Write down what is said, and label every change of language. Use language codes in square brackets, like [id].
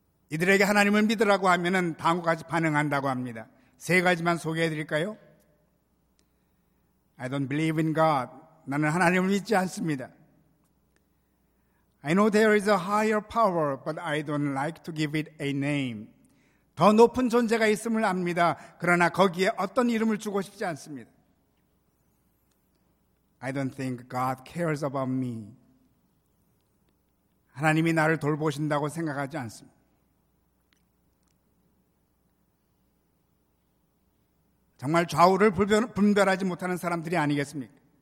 [ko] 이들에게 하나님을 믿으라고 하면은 다음과 같이 반응한다고 합니다. 세 가지만 소개해 드릴까요? [en] I don't believe in God. [ko] 나는 하나님을 믿지 않습니다. [en] I know there is a higher power, but I don't like to give it a name. [ko] 더 높은 존재가 있음을 압니다. 그러나 거기에 어떤 이름을 주고 싶지 않습니다. [en] I don't think God cares about me. [ko] 하나님이 나를 돌보신다고 생각하지 않습니다. 정말 좌우를 분별하지 못하는 사람들이 아니겠습니까?